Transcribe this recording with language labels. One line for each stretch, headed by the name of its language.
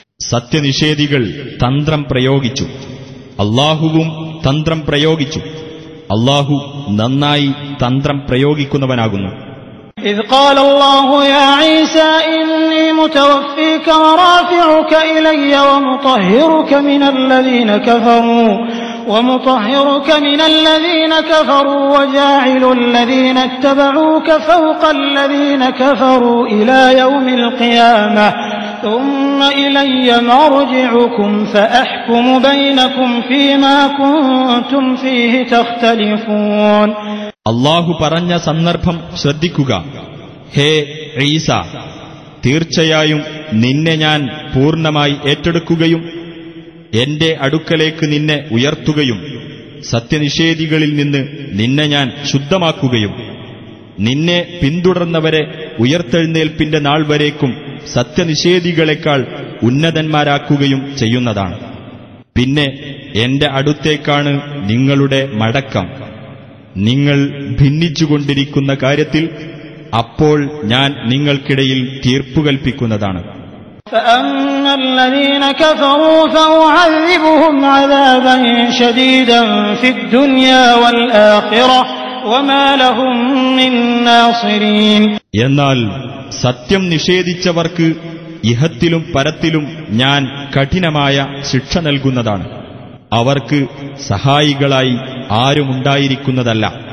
Malayalam: സത്യനിഷേധികൾ തന്ത്രം പ്രയോഗിച്ചു, അല്ലാഹുവും തന്ത്രം പ്രയോഗിച്ചു. അല്ലാഹു നന്നായി തന്ത്രം പ്രയോഗിക്കുന്നവനാകുന്നു.
Arabic: إذ قال الله يا عيسى إني متوفيك ورافعك إلي ومطهرك من الذين كفروا وجاعل الذين اتبعوك فوق الذين كفروا إلى يوم القيامة ثم إلي مرجعكم فأحكم بينكم فيما كنتم فيه تختلفون.
Malayalam: അള്ളാഹു പറഞ്ഞ സന്ദർഭം ശ്രദ്ധിക്കുക. ഹേ ഈസ, തീർച്ചയായും നിന്നെ ഞാൻ പൂർണ്ണമായി ഏറ്റെടുക്കുകയും എന്റെ അടുക്കലേക്ക് നിന്നെ ഉയർത്തുകയും സത്യനിഷേധികളിൽ നിന്ന് നിന്നെ ഞാൻ ശുദ്ധമാക്കുകയും നിന്നെ പിന്തുടർന്നവരെ ഉയർത്തെഴുന്നേൽപ്പിന്റെ നാൾ വരേക്കും സത്യനിഷേധികളെക്കാൾ ഉന്നതന്മാരാക്കുകയും ചെയ്യുന്നതാണ്. പിന്നെ എന്റെ അടുത്തേക്കാണ് നിങ്ങളുടെ മടക്കം. നിങ്ങൾ ഭിന്നിച്ചുകൊണ്ടിരിക്കുന്ന കാര്യത്തിൽ അപ്പോൾ ഞാൻ നിങ്ങൾക്കിടയിൽ തീർപ്പുകൽപ്പിക്കുന്നതാണ്.
Arabic: الذين كفروا فأعذبهم عذابا شديدا في الدنيا والآخرة وما لهم من ناصرين.
Malayalam: എന്നാൽ സത്യം നിഷേധിച്ചവർക്ക് ഇഹത്തിലും പരത്തിലും ഞാൻ കഠിനമായ ശിക്ഷ നൽകുന്നതാണ്. അവർക്ക് സഹായികളായി ആരുമുണ്ടായിരിക്കുന്നതല്ല.